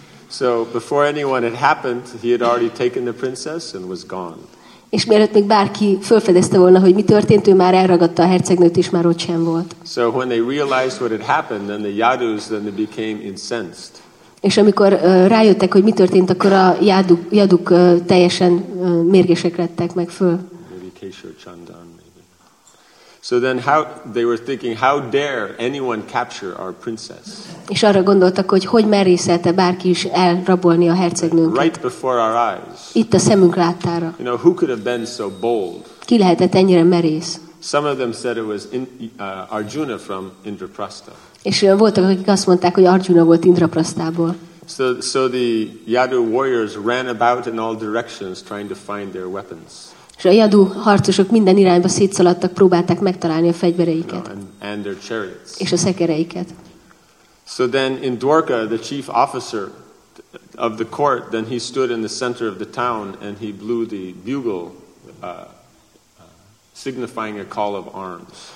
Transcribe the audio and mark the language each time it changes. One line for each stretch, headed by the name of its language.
English: So before anyone had happened, he had already taken the princess and was gone.
Hungarian: És mielőtt még bárki fölfedezte volna, hogy mi történt, ő már elragadta a hercegnőt, és már ott sem volt.
English: So when they realized what had happened, then the Yadus then they became incensed.
Hungarian: És amikor rájöttek, hogy mi történt, akkor a Yaduk teljesen mérgesek lettek meg föl.
English: Maybe Kesho Chandan, maybe. So then how they were thinking, how dare anyone capture our princess?
Hungarian: És arra gondoltak, hogy merészelte bárki is elrabolni a hercegnőnket.
English: Right before our eyes.
Hungarian: Itt a szemünk láttára.
English: You know, who could have been so bold?
Hungarian: Ki lehetett ennyire merész?
English: Some of them said it was Arjuna from Indraprastha.
Hungarian: És voltak, akik azt mondták, hogy Arjuna volt Indraprasztából.
English: So the Yadu warriors ran about in all directions trying to find their weapons.
Hungarian: És a Yadu harcosok minden irányba szétszaladtak, próbálták megtalálni a fegyvereiket.
English: No, and their chariots.
Hungarian: És a szekereiket.
English: So then in Dwarka, the chief officer of the court, then he stood in the center of the town and he blew the bugle, signifying a call of arms.